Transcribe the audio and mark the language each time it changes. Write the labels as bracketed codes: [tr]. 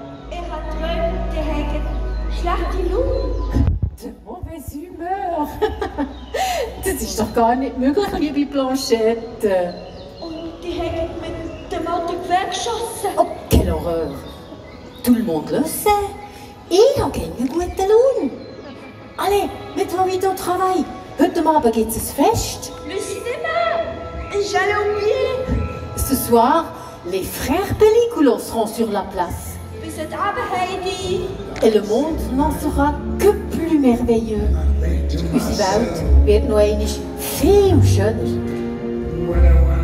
[de] Er hat träumt, er hat schlechte Luft. [fr] De mauvaise humeur. [de] Das ist doch gar nicht möglich, liebe Blanchette. Und die hat mit dem Auto weggeschossen. [fr] Oh, quelle horreur. Tout le monde le sait. [de] Ich habe eine gute Laune. [fr] Allez, mettons vite au travail. [de] Heute Abend gibt es ein Fest. [fr] Le cinéma! J'allais oublier. Ce soir, les frères Pelliculo seront sur la place. [de] Bis heute Abend, Heidi. [fr] Et le monde n'en sera que plus merveilleux. [de] Unsere Welt wird noch einmal viel schöner.